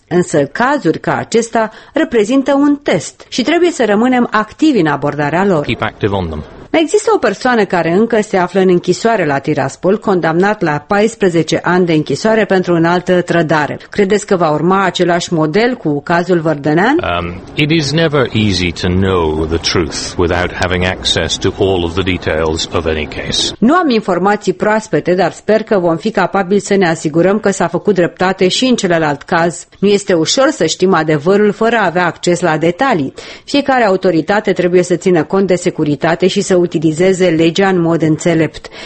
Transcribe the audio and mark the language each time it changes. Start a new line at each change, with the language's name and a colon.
Romanian: Însă cazuri ca acesta reprezintă un test și trebuie să rămânem activi în abordarea lor. Există o persoană care încă se află în închisoare la Tiraspol, condamnat la 14 ani de închisoare pentru înaltă trădare. Credeți că va urma același model cu cazul Vărdănean?
English: It is never easy to know the truth without having access to all of the details of any case.
Romanian: Nu am informații proaspete, dar sper că vom fi capabili să ne asigurăm că s-a făcut dreptate și în celălalt caz. Nu este ușor să știm adevărul fără a avea acces la detalii. Fiecare autoritate trebuie să țină cont de securitate și să utilizeze legea în mod înțelept.